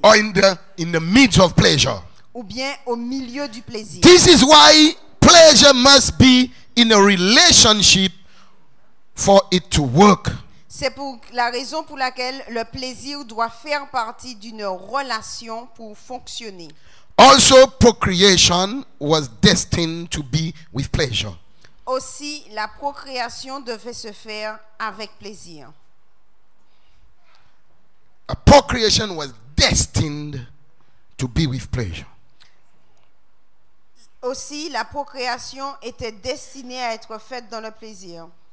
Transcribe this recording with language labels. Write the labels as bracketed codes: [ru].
[en] Or in the midst of pleasure. [fr] Ou bien au milieu du plaisir. [en] This is why pleasure must be in a relationship for it to work. [fr] C'est pour la raison pour laquelle le plaisir doit faire partie d'une relation pour fonctionner. [en] Also, procreation was destined to be with pleasure. [fr] Aussi, la procréation devait se faire avec plaisir. [en] A procreation was destined to be with pleasure. [fr] Aussi, la procréation était destinée à être faite dans le plaisir.